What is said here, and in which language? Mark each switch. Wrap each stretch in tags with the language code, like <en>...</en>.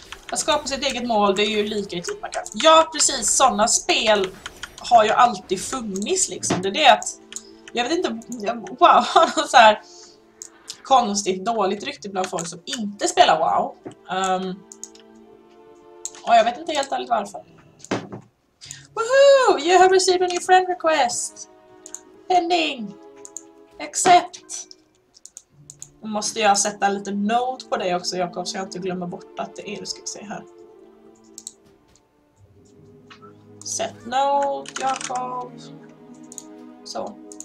<sv>Att skapa sitt eget mål, det är ju lika i typ man kan. Ja, precis, sådana spel har ju alltid funnits liksom. Det är det att, jag vet inte, wow, så här konstigt, dåligt rykte bland folk som inte spelar WoW. Och jag vet inte helt ärligt varför. Woohoo!</sv> <en>You have received a new friend request! Pending! Accept!</en> <sv>Då måste jag sätta lite note på dig också, Jakob, så jag inte glömmer bort att det är du ska se här.</sv> <en>Set note, Jakob. Så.</en>